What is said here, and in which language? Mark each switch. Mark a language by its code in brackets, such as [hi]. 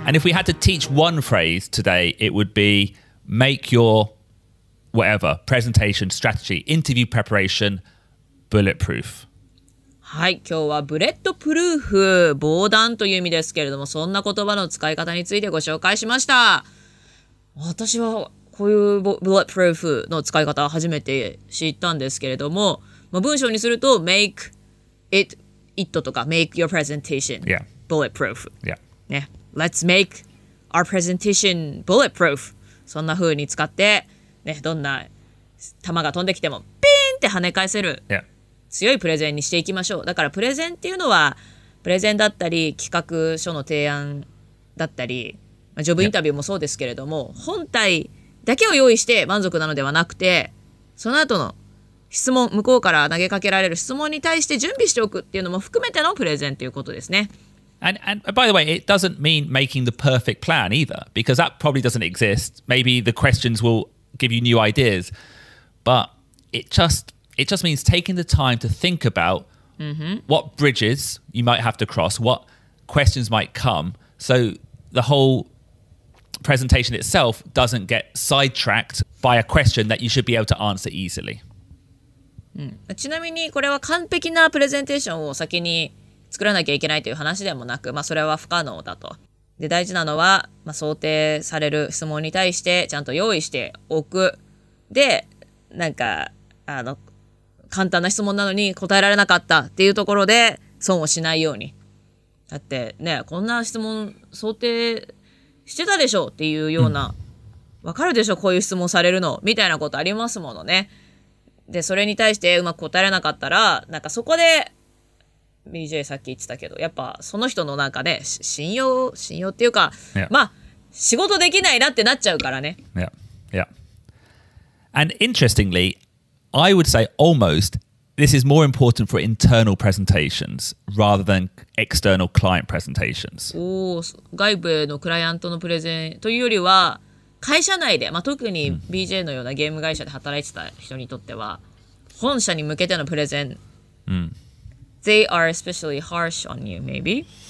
[en] And if we had to teach one phrase today, it would be make your whatever presentation strategy, interview preparation, bulletproof. [ja] はい、今日はブレットプルーフ、防弾という意味ですけれども、そんな言葉の使い方についてご紹介しました。私はこういうbulletproofの使い方を初めて知ったんですけれども、まあ、文章にすると [en] make itit [ja] とか [en] make your presentation bulletproof、 yeah. [ja] ね、 [en] let's make our presentation bulletproof、 [ja] そんな風に使って、ね、どんな弾が飛んできてもピーンって跳ね返せる、 yeah. 強いプレゼンにしていきましょう。だからプレゼンっていうのはプレゼンだったり企画書の提案だったりジョブインタビューもそうですけれども、yeah. 本体だけを用意して満足なのではなくてその後の質問、向こうから投げかけられる質問に対して準備しておくっていうのも含めてのプレゼンということですね。 [en] And by the way, it doesn't mean making the perfect plan either, because that probably doesn't exist. Maybe the questions will give you new ideas, but it just means taking the time to think about、 mm-hmm. what bridges you might have to cross, what questions might come, so the whole presentation itself doesn't get sidetracked by a question that you should be able to answer easily. [ja] うん、ちなみにこれは完璧なプレゼンテーションを先に作らなきゃいけないという話でもなく、まあ、それは不可能だと。で、大事なのは、まあ、想定される質問に対してちゃんと用意しておく。で、なんか簡単な質問なのに答えられなかったっていうところで損をしないように。だってね、こんな質問想定してたでしょっていうような、わかるでしょこういう質問されるのみたいなことありますものね。で、それに対してうまく答えなかったら、なんかそこで、BJ さっき言ってたけど、やっぱその人のなんかね、信用っていうか、 yeah. まあ、仕事できないなってなっちゃうからね。 Yeah, yeah. [en] And interestingly, I would say almost, this is more important for internal presentations rather than external client presentations. [ja] おー、外部のクライアントのプレゼンというよりは、会社内で、まあ、特に BJ のようなゲーム会社で働いてた人にとっては、本社に向けてのプレゼン、 [en] They are especially harsh on you, maybe?